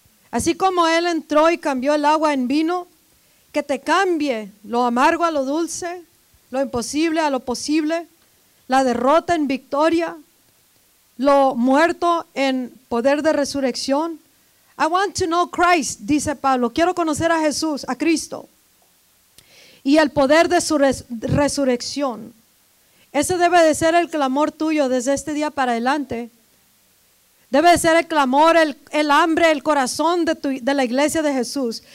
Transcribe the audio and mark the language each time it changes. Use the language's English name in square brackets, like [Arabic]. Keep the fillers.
[Spanish] Así como Él entró y cambió el agua en vino, que te cambie lo amargo a lo dulce, lo imposible a lo posible, la derrota en victoria, lo muerto en poder de resurrección. [English] I want to know Christ, [Spanish] dice Pablo. Quiero conocer a Jesús, a Cristo. Y el poder de su res resurrección. Ese debe de ser el clamor tuyo desde este día para adelante. Debe de ser el clamor, el, el hambre, el corazón de, tu, de la iglesia de Jesús.